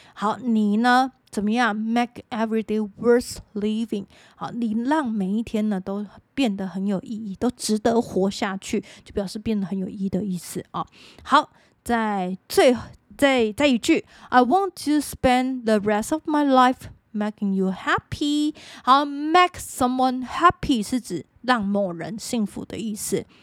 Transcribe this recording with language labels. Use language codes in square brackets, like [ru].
[zh] 好，你呢？怎么样 [en] ？Make every day worth living。 [zh] 好，你让每一天呢都变得很有意义，都值得活下去，就表示变得很有意义的意思啊、哦。好，再一句 [en] ，I want to spend the rest of my life making you happy。 [zh] 好 ， [en] make someone happy [zh] 是指让某人幸福的意思。